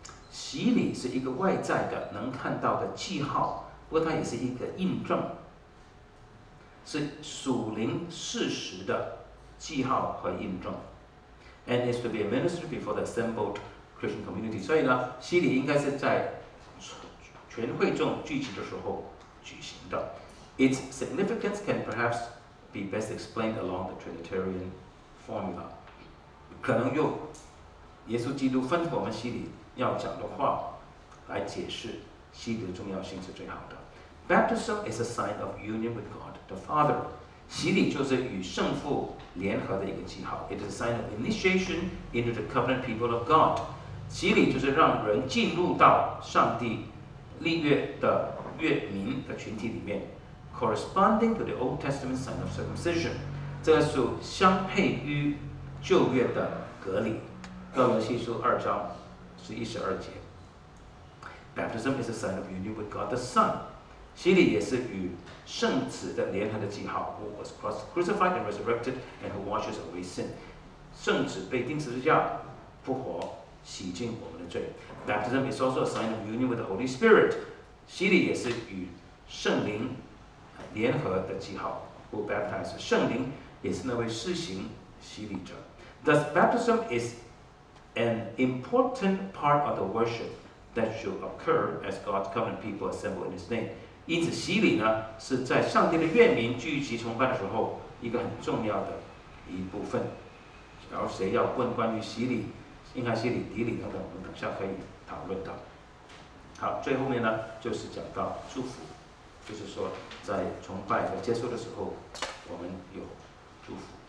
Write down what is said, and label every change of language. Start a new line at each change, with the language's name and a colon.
Chinese: 洗礼是一个外在的、能看到的记号，不过它也是一个印证，是属灵事实的记号和印证。
English: And is to be administered before the assembled. Christian community.
Chinese: 所以呢，洗礼应该是在全会众聚集的时候举行的。
English: Its significance can perhaps be best explained along the Trinitarian formula.
Chinese: 可能用耶稣基督吩咐我们洗礼要讲的话来解释洗礼的重要性是最好的。
English: Baptism is a sign of union with God the Father.
Chinese: 洗礼就是与圣父联合的一个记号。
English: It is a sign of initiation into the covenant people of God.
Chinese: 洗礼就是让人进入到上帝立约的约民的群体里面。
English: Corresponding to the Old Testament sign of circumcision.
Chinese: 这是相配于旧约的隔离。哥罗西书二章十一十二节。
English: Baptism is a sign of union with God the Son.
Chinese: 洗礼也是与圣子的联合的记号。
English: Who was crucified and resurrected and who washes away sin.
Chinese: 圣子被钉十字架复活洗净我们的罪。
English: Baptism is also a sign of union with the Holy Spirit.
Chinese: 洗礼也是与圣灵联合的记号。
English: Who baptized
Chinese: 圣灵也是那位施行洗礼者。
English: Thus baptism is an important part of the worship. That should occur as God's covenant people assemble in His name.
Chinese: 因此，洗礼呢是在上帝的愿民聚集崇拜的时候一个很重要的一部分。然后，谁要问关于洗礼、应该洗礼、礼礼等等，我们等下可以讨论到。好，最后面呢就是讲到祝福，就是说在崇拜和接受的时候，我们有祝福。